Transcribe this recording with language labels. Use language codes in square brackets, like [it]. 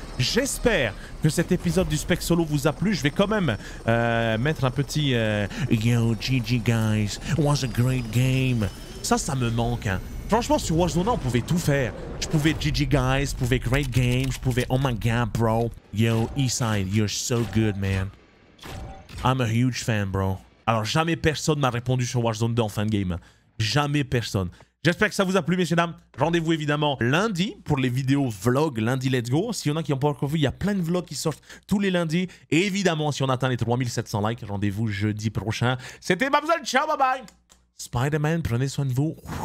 [fr] J'espère que cet épisode du spec solo vous a plu. Je vais quand même mettre un petit [en] Yo, GG guys, was a great game. [fr] Ça, ça me manque, hein. Franchement, sur Warzone, on pouvait tout faire. Je pouvais [en] GG guys, [fr] je pouvais [en] great game, [fr] je pouvais [en] oh my god, bro. Yo, Eastside, you're so good, man. I'm a huge fan, bro. [fr] Alors, jamais personne m'a répondu sur Warzone 2 en fin de game. Jamais personne. J'espère que ça vous a plu, messieurs, dames. Rendez-vous, évidemment, lundi pour les vidéos vlog. Lundi, [en] let's go. [fr] S'il y en a qui n'ont pas encore vu, il y a plein de vlogs qui sortent tous les lundis. Et évidemment, si on atteint les 3700 likes, rendez-vous jeudi prochain. C'était Mabzal. Ciao, bye bye. Spider-Man, prenez soin de vous.